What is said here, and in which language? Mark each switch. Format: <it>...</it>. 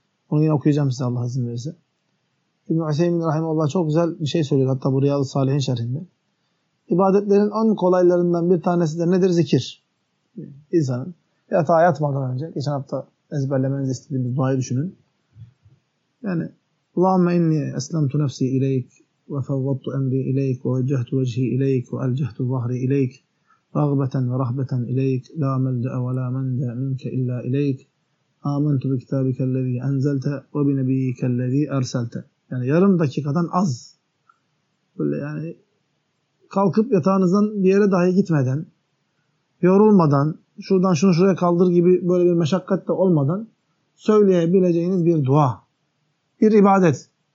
<tr>Onu yine okuyacağım size Allah izin verirse. İbn-i Useymin Rahimahullah çok güzel bir şey söylüyor. Hatta bu Riyad-ı Salih'in şerhinde. İbadetlerin en kolaylarından bir tanesi de nedir? Zikir. İnsanın yatağa yatmadan önce, geçen hafta ezberlemenizi istediğimiz duayı düşünün. Yani</tr> <ar>Allahümme inni eslemtu nefsi ileyk وفوضت أمري إليك ووجهت وجهي إليك وألجهت ظهري إليك رغبة ورهبة إليك لا ملجأ ولا منجأ منك إلا إليك آمنت بكتابك الذي أنزلت وبنبيك الذي أرسلت.</ar> <tr>Yani yarım dakikadan az. Böyle yani kalkıp yatağınızdan bir yere dahi gitmeden, yorulmadan, şuradan şunu şuraya kaldır gibi böyle bir meşakkat de olmadan söyleyebileceğiniz bir dua, bir ibadet.</tr>